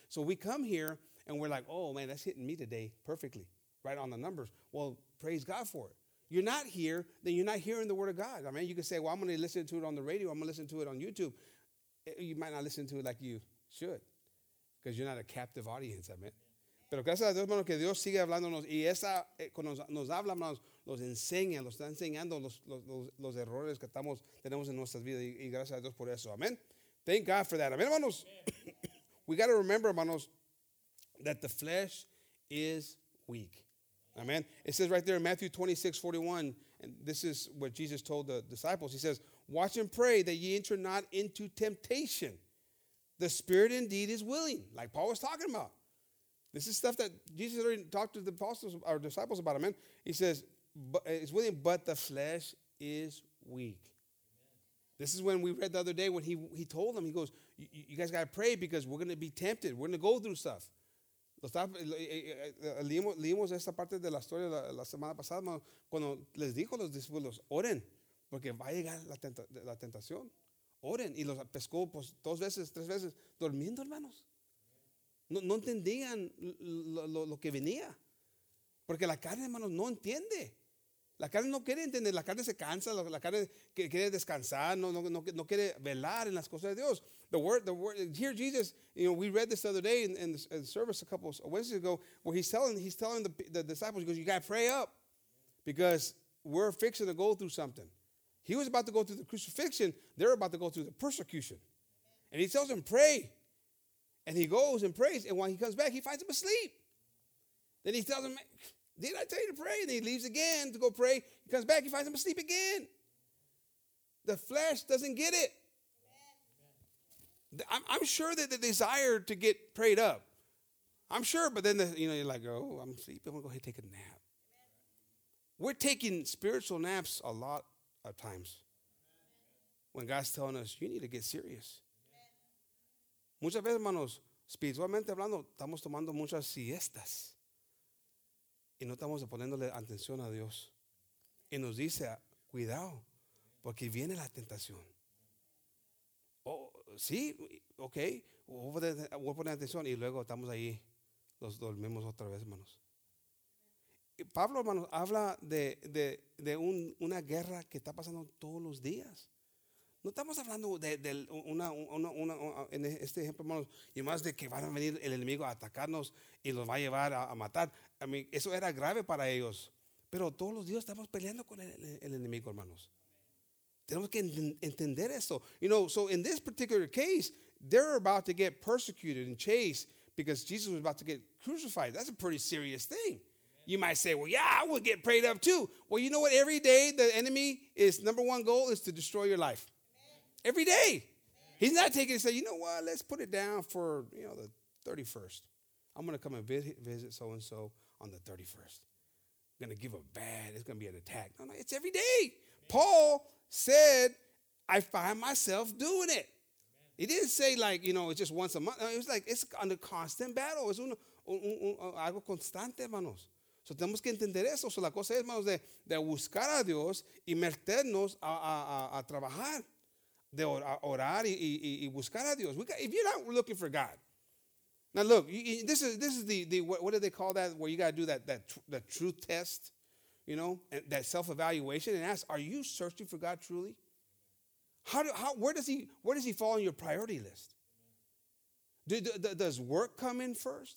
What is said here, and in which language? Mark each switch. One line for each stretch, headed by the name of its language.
English: So we come here and we're like, oh, man, that's hitting me today perfectly, right on the numbers. Well, praise God for it. You're not here, then you're not hearing the word of God. I mean, you could say, well, I'm going to listen to it on the radio. I'm going to listen to it on YouTube. You might not listen to it like you should because you're not a captive audience, I mean.
Spanish: Pero gracias a Dios, hermano, que Dios sigue hablándonos. Y esa, cuando nos habla, hermanos, los enseña, los está enseñando los errores que estamos tenemos en nuestras vidas. Y gracias a Dios por eso, amen.
English: Thank God for that.
Spanish: Amen, hermanos.
English: We got to remember, hermanos, that the flesh is weak. Amen. It says right there in Matthew 26:41, and this is what Jesus told the disciples. He says, watch and pray that ye enter not into temptation. The spirit indeed is willing, like Paul was talking about. This is stuff that Jesus already talked to the apostles, our disciples, about. Amen. He says, it's willing, but the flesh is weak. Amen. This is when we read the other day when he told them, he goes, you guys got to pray because we're going to be tempted. We're going to go through stuff.
Spanish: Leímos esta parte de la historia la semana pasada cuando les dijo a los discípulos, oren, porque va a llegar la tentación. Oren. Y los pescó pues, dos veces, tres veces, durmiendo, hermanos. No entendían lo que venía. Porque la carne, hermanos, no entiende. La carne no quiere entender. La carne se cansa. La carne quiere descansar. No quiere velar en las cosas de Dios.
English: The word, here Jesus, you know, we read this the other day in the service a couple of Wednesdays ago where he's telling the disciples, he goes, you got to pray up because we're fixing to go through something. He was about to go through the crucifixion. They're about to go through the persecution. And he tells them, pray. And he goes and prays. And when he comes back, he finds them asleep. Then he tells them, did I tell you to pray? And he leaves again to go pray. He comes back, he finds them asleep again. The flesh doesn't get it. I'm sure that the desire to get prayed up, I'm sure, but then, you're like, oh, I'm sleepy. I'm going to go ahead and take a nap. Amen. We're taking spiritual naps a lot of times. Amen. When God's telling us, you need to get serious.
Spanish: Muchas veces, hermanos, espiritualmente hablando, estamos tomando muchas siestas. Y no estamos poniéndole atención a Dios. Y nos dice, cuidado, porque viene la tentación. Oh, sí, ok, voy a poner atención y luego estamos ahí, los dormimos otra vez, hermanos. Y Pablo, hermanos, habla de una guerra que está pasando todos los días. No estamos hablando de una en este ejemplo, hermanos, y más de que van a venir el enemigo a atacarnos y los va a llevar a matar.
English: I mean,
Spanish: eso era grave para ellos, pero todos los días estamos peleando con el enemigo, hermanos. Tenemos que entender esto.
English: You know, so in this particular case, they're about to get persecuted and chased because Jesus was about to get crucified. That's a pretty serious thing. Amen. You might say, well, yeah, I would get prayed up too. Well, you know what? Every day the enemy is number one goal is to destroy your life. Amen. Every day. Amen. He's not taking it and say, you know what? Let's put it down for, the 31st. I'm going to come and visit so-and-so on the 31st. I'm going to give a bad. It's going to be an attack. No, it's every day. Amen. Paul said, I find myself doing it. Amen. He didn't say it's just once a month. No, it was like, it's under constant battle.
Spanish: Es algo constante, hermanos. So tenemos que entender eso. So la cosa es, hermanos, de buscar a Dios y meternos a trabajar, de orar y buscar a Dios.
English: If you're not looking for God. Now look, this is what do they call that, where you got to do that truth test? You know, that self-evaluation and ask, are you searching for God truly? Where does he fall on your priority list? Does work come in first?